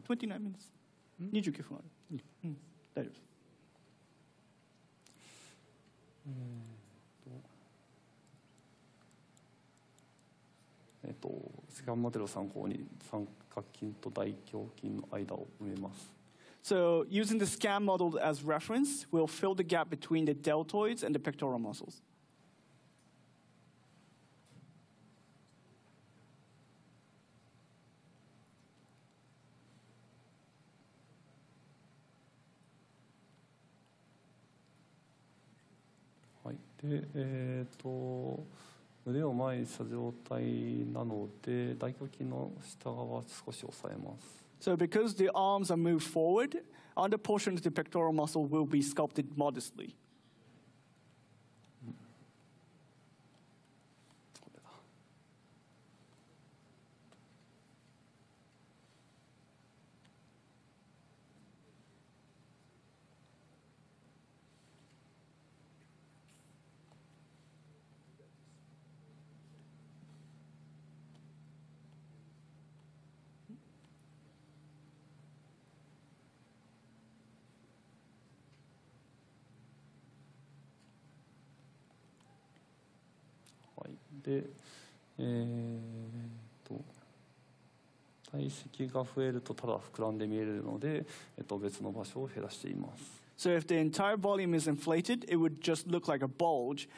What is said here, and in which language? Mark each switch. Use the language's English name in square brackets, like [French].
[English] 30 minutes? 29 minutes. [Japanese] 29分ある。大丈夫。スキャンモデルを参考に三角筋と大胸筋の間を埋めます。 [English] So using the scan model as reference, we'll fill the gap between the deltoids and the pectoral muscles. [Japanese] はい。で、腕を前にした状態なので大胸筋の下側を少し抑えます。 [English] So because the arms are moved forward, under portion of the pectoral muscle will be sculpted modestly. [Japanese] で、体積が増えるとただ膨らんで見えるので、別の場所を減らしています。 [English] So if the entire volume is inflated, it would just look like a bulge.